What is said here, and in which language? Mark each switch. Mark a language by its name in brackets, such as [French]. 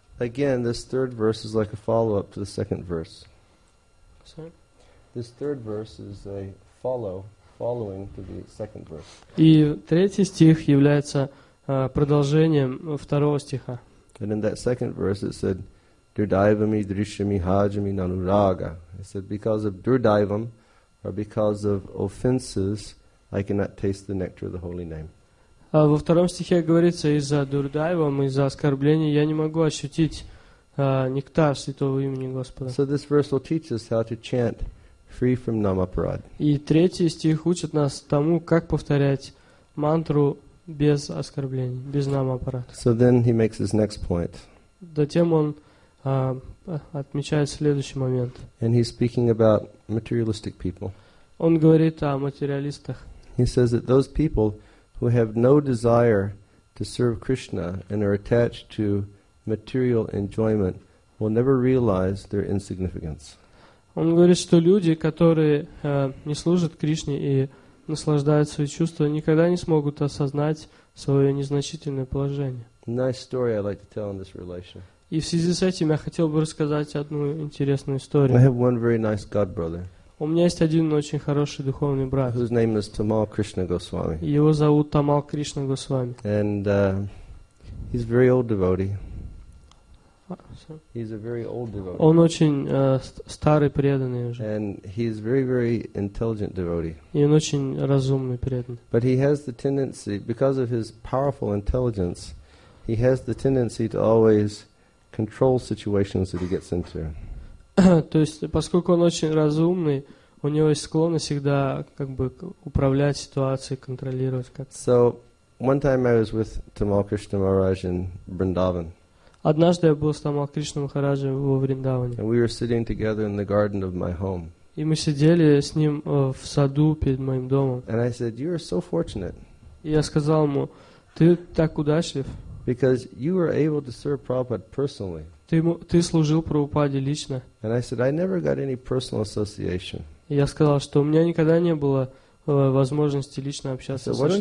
[English] Again, this third verse is like a follow-up to the second verse. Sorry? This third verse is a follow following to the second verse. [Russian] И третий стих является продолжением второго стиха. [English] And in that second verse it said, [Sanskrit] Durdaivami drishami hajami nanuraga. [English] It said, because of durdaivam, or because of offenses, I cannot taste the nectar of the holy name. [Russian] Во втором стихе говорится, из-за дурдайвам, из-за оскорблений, я не могу ощутить нектар святого имени Господа. [English] So this verse will teach us how to chant free from namaparad. [Russian] И третий стих учит нас тому, как повторять мантру без оскорблений, без намапарад. [English] So then he makes his next point. [Russian] Затем он отмечает следующий момент. [English] And he's speaking about materialistic people. [Russian] Он говорит о материалистах. [English] He says that those people who have no desire to serve Krishna and are attached to material enjoyment will never realize their insignificance. [Russian] Он говорит, что люди, которые не служат Кришне и наслаждают свои чувства, никогда не смогут осознать свое незначительное положение. [English] Nice story I'd like to tell in this relation. [Russian] И в связи с этим я хотел бы рассказать одну интересную историю. [English] I have one very nice god brother. [Russian] У меня есть один очень хороший духовный брат. [English] His name is Tamal Krishna Goswami. [Russian] Его зовут Тамал Кришна Госвами. [English] And he's a very old devotee. He's a very old devotee. [Russian] Он очень старый преданный уже. [English] And he's very, very intelligent devotee. [Russian] И он очень разумный преданный. [English] But he has the tendency, because of his powerful intelligence, he has the tendency to always control situations that he gets into. [Russian] То есть, поскольку он очень разумный, у него есть склонность всегда как бы управлять ситуацией, контролировать как-то. [English] So, one time I was with Tamal Krishna Maharaj in Vrindavan. [Russian] Однажды я был с Тамал Кришна Махараджем во Вриндаване. [English] And we were sitting together in the garden of my home. [Russian] И мы сидели с ним в саду перед моим домом. [English] And I said, "You are so fortunate." [Russian] И я сказал ему, ты так удачлив. [English] Because you were able to serve Prabhupada personally. [Russian] Ты служил Прабхупаде лично. [English] And I said, I never got any personal association. [Russian] Я сказал, что у меня никогда не было возможности лично общаться со Прабхупадой.